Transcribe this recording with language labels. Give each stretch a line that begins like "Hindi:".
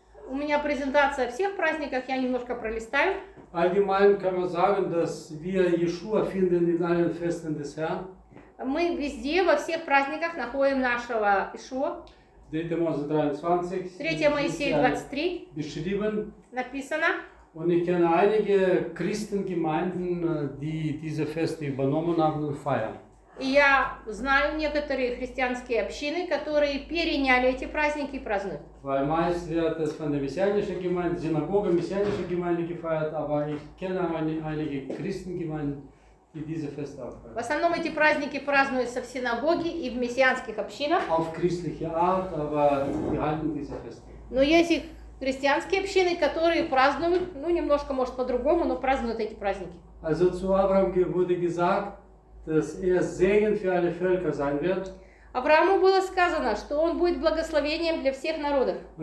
Russian: У меня презентация о всех праздниках, я немножко пролистаю.
German: Allgemein kann man sagen, dass wir Yeshua finden in allen Festen des Herrn.
Russian: Мы везде, во всех праздниках находим нашего Ишуа.
German: 3. Mose 23.
Russian: 3. Моисей 23.
German: Beschrieben.
Russian: Написано.
German: Und ich kenne einige Christengemeinden, die diese Feste übernommen haben und feiern.
Russian: И я знаю некоторые христианские общины, которые переняли эти праздники и празднуют.
German: Weil meist wird es von der messianischen Gemeinde, Synagoge, messianische Gemeinde gefeiert, aber ich kenne einige Christengemeinden, die diese Feste auch feiern.
Russian: В основном эти праздники празднуются в синагоге и в мессианских общинах.
German: Auf christliche Art, aber die halten diese Feste.
Russian: Но есть и христианские общины, которые празднуют, ну немножко, может, по-другому, но празднуют эти праздники.
German: Also zu Abraham wurde gesagt, dass er Segen für alle Völker sein wird.
Russian: Аврааму было сказано, что он будет благословением для всех народов.